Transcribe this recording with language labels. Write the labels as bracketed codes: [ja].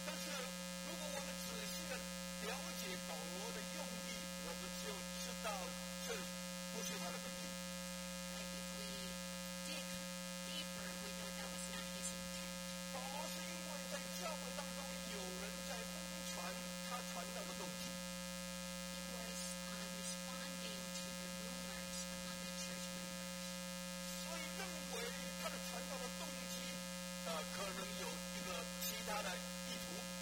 [zh] 了解保罗的用意，我们就知道这不是他的本意。 [en] But if we dig deeper, we know that was not his intent. [zh] 保罗是因为在教会当中有人在疯传他传道的动机。 [en] He was responding to the rumors among the church members. [zh] 所以认为他的传道的动机，可能有一个其他的意图。